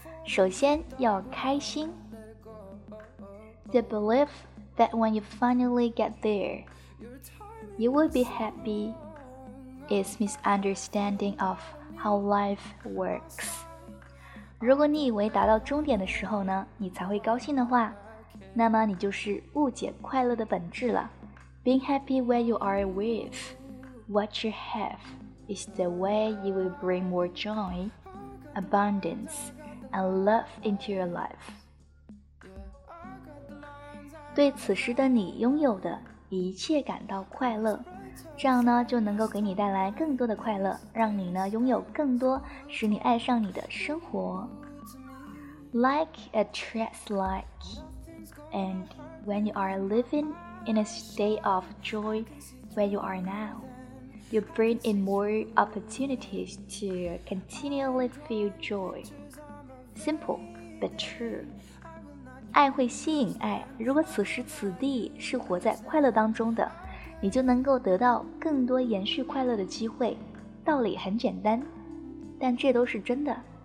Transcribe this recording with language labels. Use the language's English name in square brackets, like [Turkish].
[Chinese] 首先要开心 [English] The belief that when you finally get there, you will be happy is misunderstanding of how life works. [Chinese] 如果你以为达到终点的时候呢，你才会高兴的话，那么你就是误解快乐的本质了。 [English] Being happy where you are with what you have is the way you will bring more joy, abundance, and love into your life. [Chinese] 对此时的你拥有的一切感到快乐，这样呢就能够给你带来更多的快乐，让你呢拥有更多使你爱上你的生活。 [English] Like attracts like, and when you are living in a state of joy where you are now, you bring in more opportunities to continually feel joy. Simple but true. [Chinese] 爱会吸引爱，如果此时此地是活在快乐当中的，你就能够得到更多延续快乐的机会，道理很简单，但这都是真的。